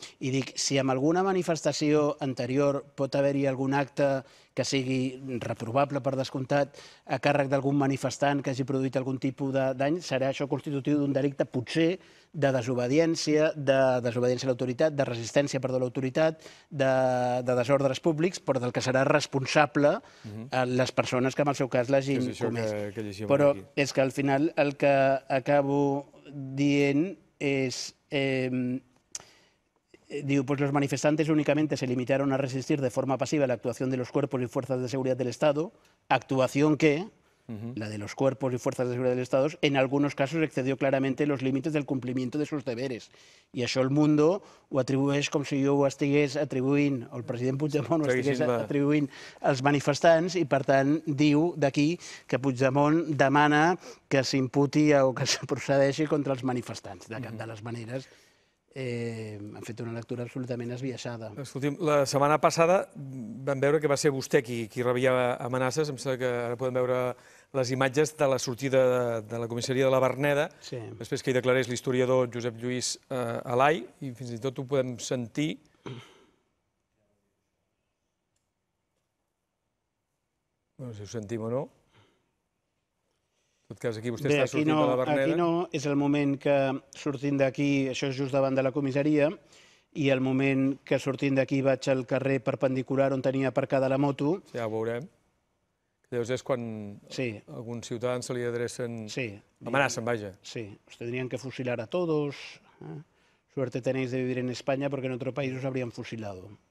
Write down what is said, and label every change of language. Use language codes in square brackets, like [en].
[ca] I dic, si amb alguna manifestació anterior pot haver-hi algun acte que sigui reprovable, per descomptat, a càrrec d'algun manifestant que hagi produït algun tipus de dany, serà això constitutiu d'un delicte, potser, de desobediència a l'autoritat, de resistència, perdó, a l'autoritat, de desordres públics, però del que serà responsable les persones que, en el seu cas, l'hagin comès. Però aquí, és que, al final, el que acabo dient és... [es] Diu, pues los manifestantes únicamente se limitaron a resistir de forma pasiva la actuación de los cuerpos y fuerzas de seguridad del Estado, actuación que, la de los cuerpos y fuerzas de seguridad del Estado, en algunos casos excedió claramente los límites del cumplimiento de sus deberes. [ca] Y això El Mundo ho atribueix com si jo ho estigués atribuint, o el president Puigdemont ho estigués atribuint als manifestants, i per tant diu d'aquí que Puigdemont demana que s'imputi o que se procedeixi contra els manifestants, de cap de les maneres... han fet una lectura absolutament esbiaixada. Escolti'm, la setmana passada vam veure que va ser vostè qui rebia amenaces. Em sembla que ara podem veure les imatges de la sortida de la comissaria de la Verneda, sí, després que hi declarés l'historiador Josep Lluís Alai, i fins i tot ho podem sentir. No sé si ho sentim o no. En tot cas, aquí vostè bé, està sortint no, de la Verneda. Aquí no, és el moment que, sortint d'aquí, això és just davant de la comissaria, i el moment que, sortint d'aquí, vaig al carrer perpendicular on tenia aparcada la moto. Sí, ja ho veurem. Llavors és quan sí, alguns ciutadans se li adrecen... Sí. Amenacen, vaja. [es] Sí, os tendrían que fusilar a todos. Suerte tenéis de vivir en España, porque en otro país os habrían fusilado.